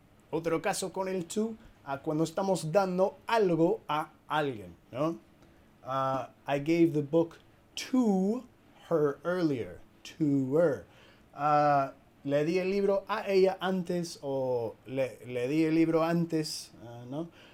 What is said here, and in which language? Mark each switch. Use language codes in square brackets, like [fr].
[es] Otro caso con el to, cuando estamos dando algo a alguien, ¿no? [en] I gave the book to her earlier, to her. [es] Le di el libro a ella antes o le di el libro antes, ¿no?